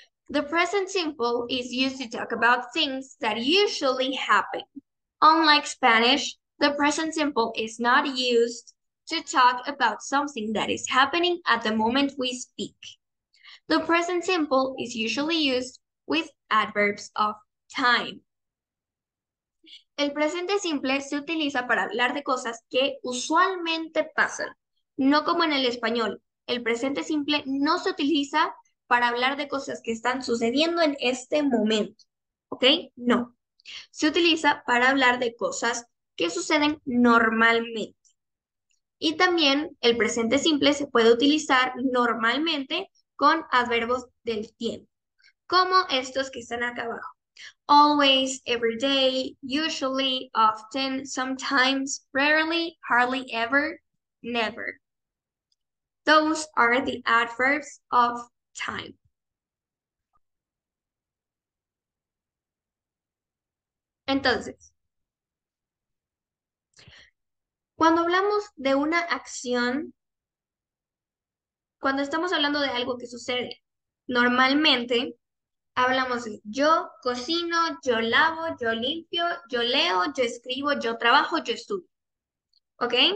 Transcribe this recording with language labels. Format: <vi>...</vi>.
<en>The present simple is used to talk about things that usually happen. Unlike Spanish, the present simple is not used to talk about something that is happening at the moment we speak. The present simple is usually used with adverbs of time.</en> <es>El presente simple se utiliza para hablar de cosas que usualmente pasan, no como en el español. El presente simple no se utiliza para hablar de cosas que están sucediendo en este momento, ¿ok? No. Se utiliza para hablar de cosas que suceden normalmente. Y también el presente simple se puede utilizar normalmente con adverbios del tiempo, como estos que están acá abajo.</es> <en>Always, every day, usually, often, sometimes, rarely, hardly ever, never. Those are the adverbs of time.</en> <es>Entonces, cuando hablamos de una acción, cuando estamos hablando de algo que sucede, normalmente hablamos de yo cocino, yo lavo, yo limpio, yo leo, yo escribo, yo trabajo, yo estudio. ¿Ok?</es>